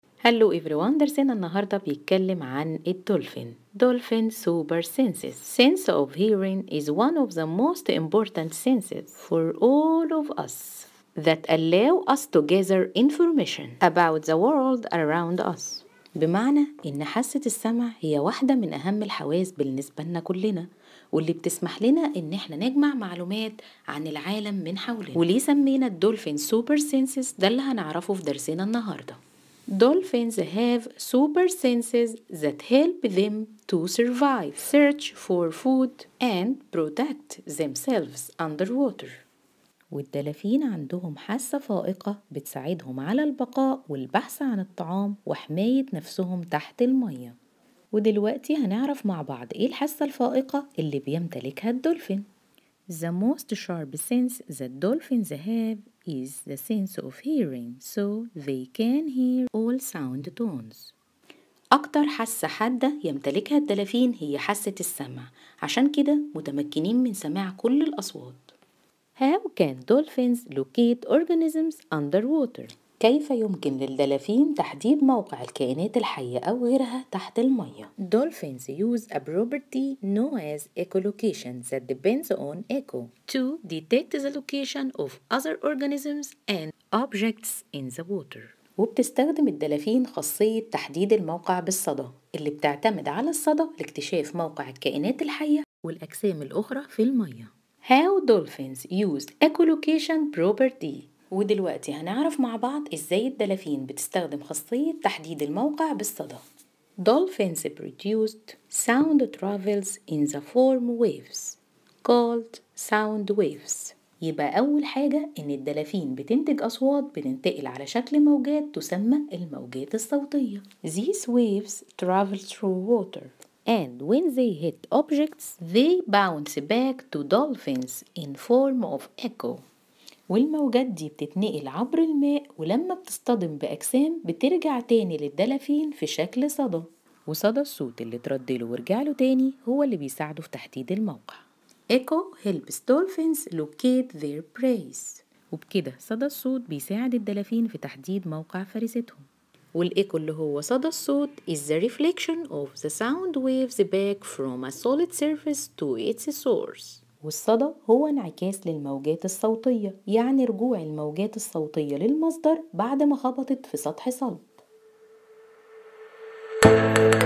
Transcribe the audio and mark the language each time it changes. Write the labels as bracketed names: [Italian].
[Arabic] هلو إيفريوان، درسنا النهاردة بيتكلم عن الدولفين. [English] Dolphin super senses. Sense of hearing is one of the most important senses for all of us that allow us to gather information about the world around us. [Arabic] بمعنى إن حاسة السمع هي واحدة من أهم الحواس بالنسبة لنا كلنا، واللي بتسمح لنا إن إحنا نجمع معلومات عن العالم من حولنا. وليه سمينا الدولفين super senses؟ ده اللي هنعرفه في درسنا النهاردة. [English] Dolphins have super senses that help them to survive, search for food, and protect themselves underwater. [Arabic] والدلافين عندهم حاسة فائقة بتساعدهم على البقاء والبحث عن الطعام وحماية نفسهم تحت المية. ودلوقتي هنعرف مع بعض إيه الحاسة الفائقة اللي بيمتلكها الدولفين. [English] The most sharp sense that dolphins have is the sense of hearing, so they can hear all sound tones. [Arabic] أكتر حاسة حادة يمتلكها الدلافين هي حاسة السمع، عشان كده متمكنين من سماع كل الأصوات. [English] How can dolphins locate organisms underwater؟ [Arabic] كيف يمكن للدلافين تحديد موقع الكائنات الحية أو غيرها تحت المية؟ [English] Dolphins use a property known as echolocation that depends on echo to detect the location of other organisms and objects in the water. [Arabic] وبتستخدم الدلافين خاصية تحديد الموقع بالصدى اللي بتعتمد على الصدى لاكتشاف موقع الكائنات الحية والأجسام الأخرى في المية. [English] How dolphins use echolocation property؟ [Arabic] ودلوقتي هنعرف مع بعض إزاي الدلافين بتستخدم خاصية تحديد الموقع بالصدى. [English] Dolphins produced sound travels in the form waves called sound waves. [Arabic] يبقى أول حاجة إن الدلافين بتنتج أصوات بتنتقل على شكل موجات تسمى الموجات الصوتية. [English] These waves travel through water and when they hit objects they bounce back to dolphins in form of echo. [Arabic] والموجات دي بتتنقل عبر الماء ولما بتصطدم بأجسام بترجع تاني للدلافين في شكل صدى، وصدى الصوت اللي ترد له ورجع له تاني هو اللي بيساعده في تحديد الموقع. [English] Echo helps dolphins locate their prey. [Arabic] وبكده صدى الصوت بيساعد الدلافين في تحديد موقع فريستهم. والإيكو اللي هو صدى الصوت [English] is the reflection of the sound waves back from a solid surface to its source. [Arabic] والصدى هو انعكاس للموجات الصوتية، يعني رجوع الموجات الصوتية للمصدر بعد ما خبطت في سطح صلب.